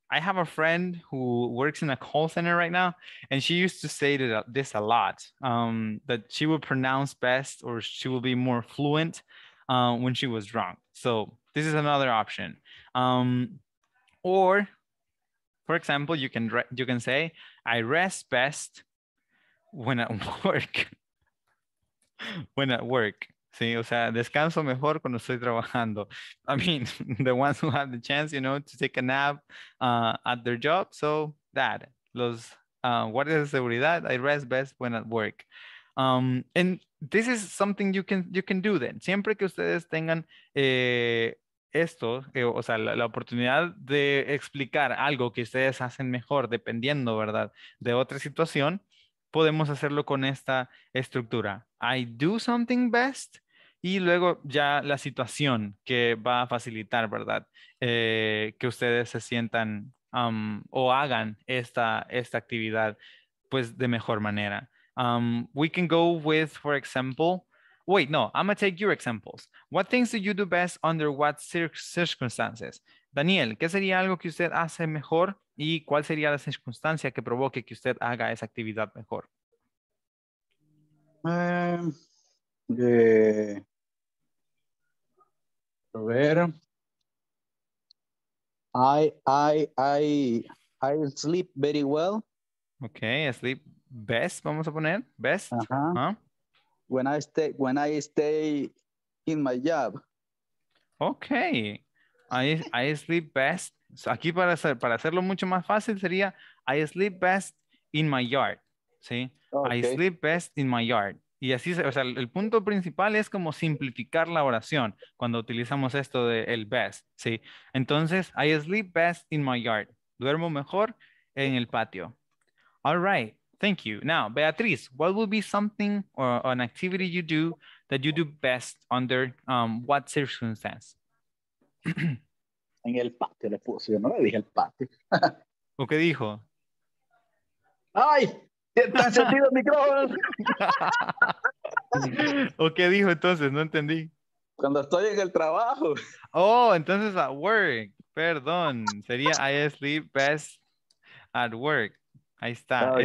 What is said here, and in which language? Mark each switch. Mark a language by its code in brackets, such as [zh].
[en] I have a friend who works in a call center right now, and she used to say this a lot, that she would pronounce best or she will be more fluent when she was drunk. So this is another option. Or, for example, you can say, I rest best when at work. When at work. [es] Sí, o sea, descanso mejor cuando estoy trabajando. [en] I mean, the ones who have the chance, you know, to take a nap at their job. So that, [es] los guardias de seguridad, [en] I rest best when at work. And this is something you can do then. [es] Siempre que ustedes tengan esto, o sea, la oportunidad de explicar algo que ustedes hacen mejor, dependiendo, ¿verdad?, de otra situación, podemos hacerlo con esta estructura. [en] I do something best. [es] Y luego ya la situación que va a facilitar, ¿verdad? Que ustedes se sientan o hagan esta actividad, pues, de mejor manera. [en] We can go with, for example, wait, no, I'm going to take your examples. What things do you do best under what circumstances? [es] Daniel, ¿qué sería algo que usted hace mejor? ¿Y cuál sería la circunstancia que provoque que usted haga esa actividad mejor? [en] I sleep very well. Okay, I sleep best. [es] Vamos a poner [en] best. Uh-huh. Huh? When I stay in my job. Okay, I sleep best. [es] So aquí para hacerlo mucho más fácil sería [en] I sleep best in my yard. [es] Sí. [en] Okay. I sleep best in my yard. [es] Y así, o sea, el punto principal es como simplificar la oración cuando utilizamos esto de el best, ¿sí? Entonces, [en] I sleep best in my yard. [es] Duermo mejor en el patio. [en] All right, thank you. Now, Beatriz, what would be something or an activity you do that you do best under what circumstance? [es] En el patio, le puse, yo no le dije el patio. ¿O qué dijo? ¡Ay! ¿Está encendido el micrófono? ¿O qué dijo entonces? No entendí. Cuando estoy en el trabajo. [en] Oh, entonces at work. [es] Perdón. Sería [en] I sleep best at work. [es] Ahí está. [en] Okay.